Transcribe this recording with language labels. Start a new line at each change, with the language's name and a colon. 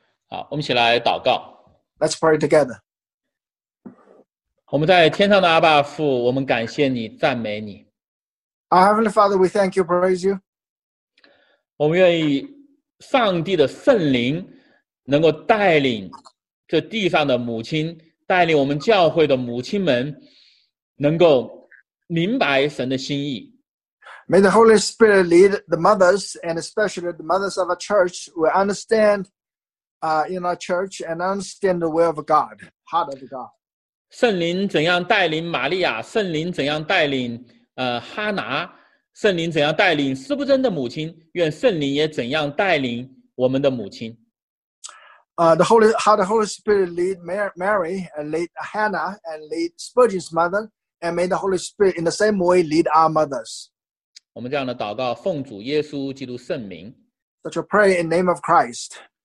Chinese: 好，我们一起来祷告。
English: Let's pray together.
Chinese: 我们在天上的阿爸父，我们感谢你，赞美你。
English: Our Heavenly Father, we thank you, praise you.
Chinese: 我们愿意上帝的圣灵能够带领这地上的母亲，带领我们教会的母亲们能够明白神的心意。
English: May the Holy Spirit lead the mothers, and especially the mothers of our church, will understand in our church and understand the will of God, heart of God.
Chinese: 圣灵怎样带领玛利亚，圣灵怎样带领哈拿，圣灵怎样带领斯布珍的母亲，愿圣灵也怎样带领我们的母亲。
English: How the Holy Spirit lead Mary, and lead Hannah, and lead Spurgeon's mother,And may the Holy Spirit in the same way lead our mothers.
Chinese: 我们这样的祷告奉主耶稣基督圣名。
English: Such a prayer in the name of Christ.